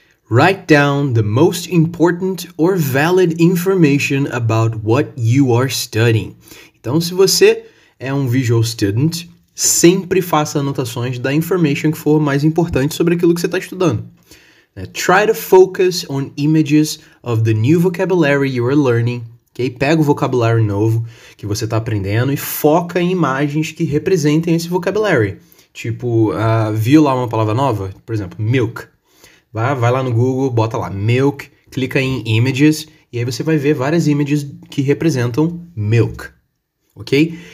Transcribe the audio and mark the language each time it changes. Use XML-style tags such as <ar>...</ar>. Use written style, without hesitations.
<en>Write down the most important or valid information about what you are studying.</en> <pt>Então, se você é um</pt> <en>visual student,</en> <pt>sempre faça anotações da information que for mais importante sobre aquilo que você está estudando.</pt> <en>Try to focus on images of the new vocabulary you are learning. Okay?</en> <pt>Pega o vocabulário novo que você está aprendendo e foca em imagens que representem esse vocabulary. Tipo, viu lá uma palavra nova? Por exemplo, milk. Vai lá no Google, bota lá milk, clica em images, e aí você vai ver várias images que representam milk. Ok?</pt>